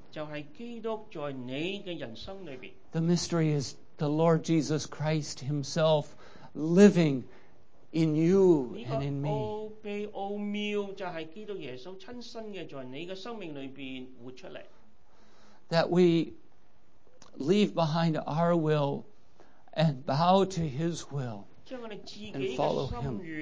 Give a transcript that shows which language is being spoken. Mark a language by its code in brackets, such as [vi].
[en] The mystery is the Lord Jesus Christ Himself living in you and in me. [zh] 奧秘就是基督耶穌親身的在你的生命裡面活出來, [en] that we leave behind our will and bow to His will and follow Him.